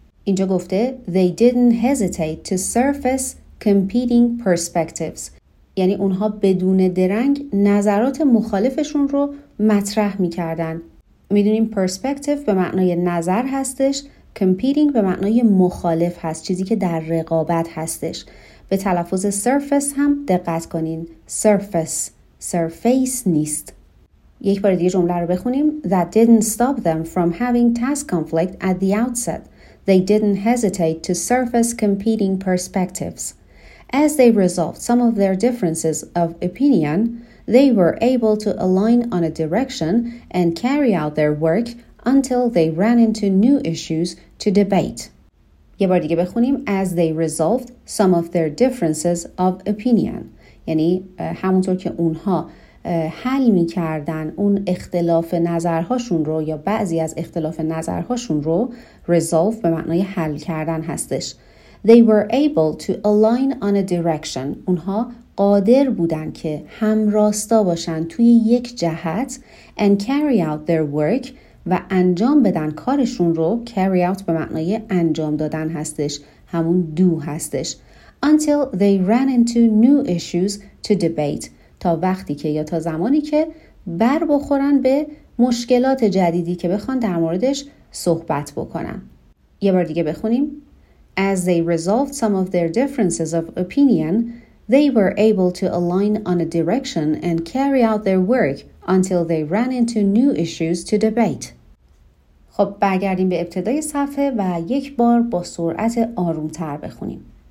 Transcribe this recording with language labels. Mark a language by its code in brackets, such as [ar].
[fa] اینجا گفته [en] they didn't hesitate to surface competing perspectives [fa] یعنی اونها بدون درنگ نظرات مخالفشون رو مطرح میکردن. میدونیم perspective به معنای نظر هستش، competing به معنای مخالف هست، چیزی که در رقابت هستش. به تلفظ surface هم دقت کنین، surface، surface نیست. یک بار دیگه جمله رو بخونیم. [en] That didn't stop them from having task conflict at the outset. They didn't hesitate to surface competing perspectives. As they resolved some of their differences of opinion, they were able to align on a direction and carry out their work until they ran into new issues to debate. [fa] یه بار دیگه بخونیم. [en] As they resolved some of their differences of opinion. [fa] یعنی همونطور که اونها حل می کردن اون اختلاف نظرهاشون رو یا بعضی از اختلاف نظرهاشون رو، resolve به معنای حل کردن هستش. [en] They were able to align on a direction. [fa] اونها قادر بودن که هم راستا باشن توی یک جهت [en] and carry out their work [fa] و انجام بدن کارشون رو. Carry out به معنای انجام دادن هستش، همون do هستش. [en] Until they ran into new issues to debate. [fa] تا وقتی که یا تا زمانی که بر بخورن به مشکلات جدیدی که بخوان در موردش صحبت بکنن. یه بار دیگه بخونیم. [en] As they resolved some of their differences of opinion, they were able to align on a direction and carry out their work until they ran into new issues to debate. [fa] خب برگردیم به ابتدای صفحه و یک بار با سرعت آروم‌تر بخونیم.